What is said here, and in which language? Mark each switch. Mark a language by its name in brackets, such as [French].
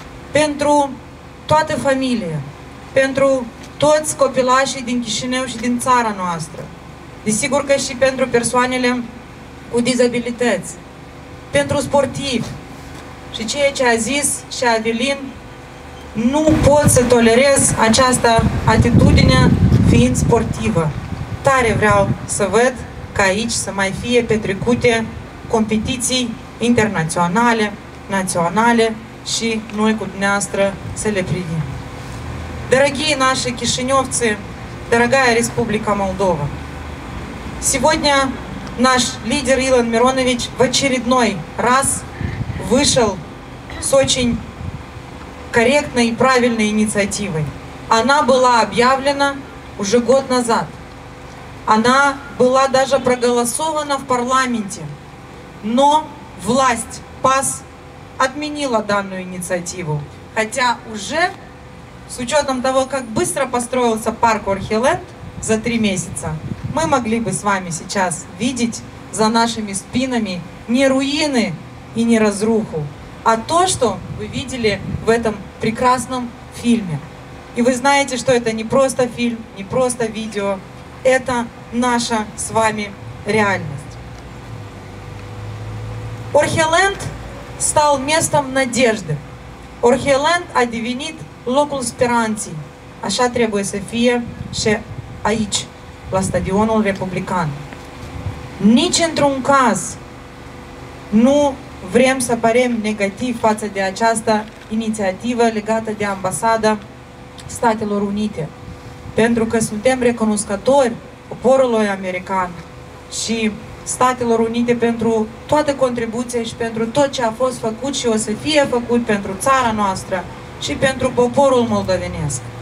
[Romanian] Pentru toată familia, pentru toți copilașii din Chișinău și din țara noastră, desigur că și pentru persoanele cu dizabilități, pentru sportivi și ceea ce a zis și Adelin, nu pot să tolerez această atitudine fiind sportivă. Tare vreau să văd că aici să mai fie petrecute competiții internaționale, naționale și noi cu dumneavoastră să le privim. [Russian] Дорогие наши кишиневцы, дорогая Республика Молдова, сегодня наш лидер Илон Миронович в очередной раз вышел с очень корректной и правильной инициативой. Она была объявлена уже год назад. Она была даже проголосована в парламенте. Но власть ПАС отменила данную инициативу. хотя уже с учетом того, как быстро построился парк Орхиленд за 3 месяца, мы могли бы с вами сейчас видеть за нашими спинами не руины и не разруху, а то, что вы видели в этом прекрасном фильме. И вы знаете, что это не просто фильм, не просто видео, это наша с вами реальность. Орхиленд стал местом надежды. [Romanian] Орхиленд a devenit locul speranței. Așa trebuie să fie și aici, la Stadionul Republican. Nici într-un caz nu vrem să părem negativ față de această inițiativă legată de ambasada Statelor Unite, pentru că suntem recunoscători poporului american și Statelor Unite pentru toate contribuțiile și pentru tot ce a fost făcut și o să fie făcut pentru țara noastră și pentru poporul moldovenesc.